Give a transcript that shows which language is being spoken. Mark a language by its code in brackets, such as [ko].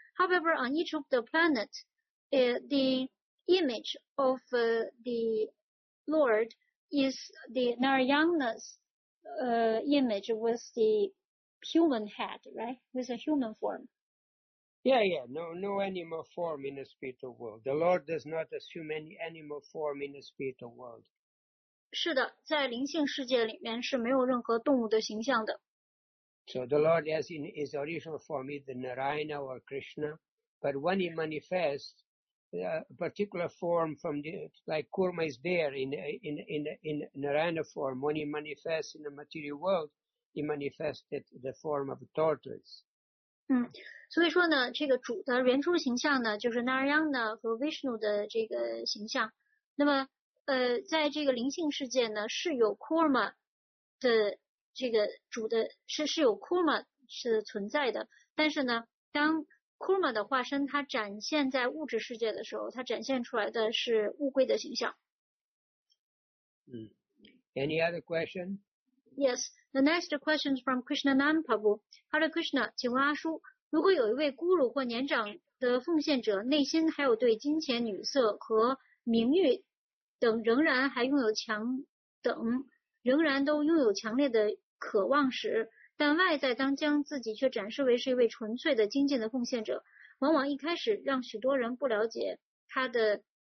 [en] However, on each of the planets, the image of the Lord is the Narayana's image with the human head, right? With a human form. Yeah. No animal form in the spiritual world. The Lord does not assume any animal form in the spiritual world. [zh] 是的，在灵性世界里面是没有任何动物的形象的。 [en] So the Lord is in his original form, either Narayana or Krishna, but when he manifests a particular form from the, like Kurma is there in Narayana form, when he manifests in the material world, he manifested the form of a tortoise. [zh] 所以说呢，这个主的原初形象呢，就是 Narayana 和 Vishnu 的这个形象。那么在这个灵性世界呢，是有 Kurma 的这个主的，是有 Kurma 是存在的。但是呢，当 Kurma 的化身它展现在物质世界的时候，它展现出来的是乌龟的形象。 [en] Any other question? Yes, the next question is from Krishnanand Prabhu. [zh] Hello Krishna, 请问阿叔，如果有一位孤鲁或年长的奉献者，内心还有对金钱、女色和名誉等仍然还拥有强等仍然都拥有强烈的渴望时，但外在当将自己却展示为是一位纯粹的精进的奉献者，往往一开始让许多人不了解他的